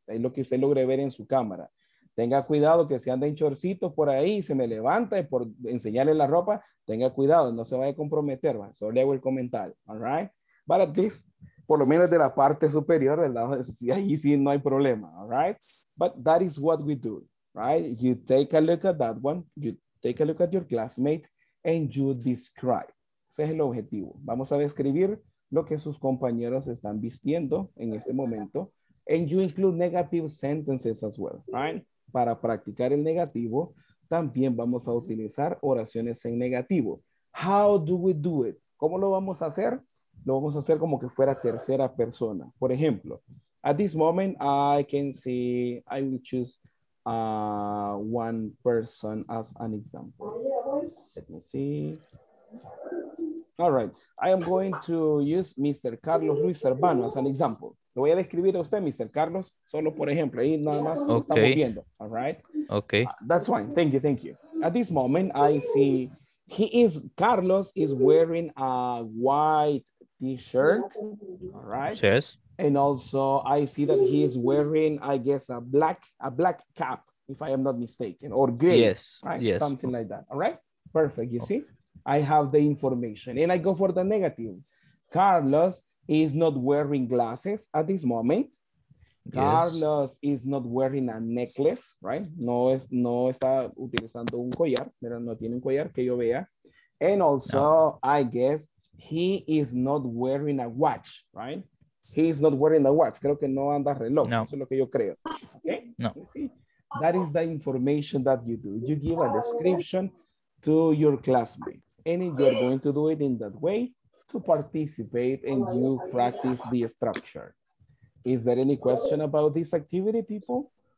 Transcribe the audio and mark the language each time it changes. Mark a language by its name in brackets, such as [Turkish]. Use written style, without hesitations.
[Spanish] Es lo que usted logre ver en su cámara. Tenga cuidado que si anda en chorcitos por ahí y se me levanta y por enseñarle la ropa, tenga cuidado, no se vaya a comprometer. ¿Va? Solo le hago el comentario, [English] all right? But at least, [Spanish] por lo menos de la parte superior, ¿verdad? Sí, ahí sí no hay problema, [English] all right? But that is what we do, right? You take a look at that one, you take a look at your classmate, and you describe. [Spanish] Ese es el objetivo. Vamos a describir lo que sus compañeros están vistiendo en este momento. [English] And you include negative sentences as well, right? [Spanish] Para practicar el negativo, también vamos a utilizar oraciones en negativo. [English] How do we do it? [Spanish] ¿Cómo lo vamos a hacer? Lo vamos a hacer como que fuera tercera persona. Por ejemplo, [English] at this moment, I can see, I will choose one person as an example. Let me see. All right. I am going to use Mr. Carlos Ruiz Serbano as an example. [Spanish] Lo voy a describir a usted, Mr. Carlos, solo por ejemplo. Ahí nada más lo estamos viendo. [English] All right. Okay. That's fine. Thank you. At this moment, I see Carlos is wearing a white t-shirt. All right. Yes. And also I see that he is wearing, I guess, a black cap, if I am not mistaken, or gray. Yes. Right? Yes. Something like that. All right. Perfect. You see? I have the information and I go for the negative. Carlos is not wearing glasses at this moment. Yes. Carlos is not wearing a necklace, right? [Spanish] No está utilizando un collar, pero no tiene un collar que yo vea. [English] And also, no. I guess he is not wearing a watch, right? He is not wearing a watch. [Spanish] Creo que no anda reloj. No. Eso es lo que yo creo. Okay? No. [English] That is the information that you do. You give a description to your classmates. And if you're going to do it in that way to participate and you practice the structure. Is there any question about this activity, people?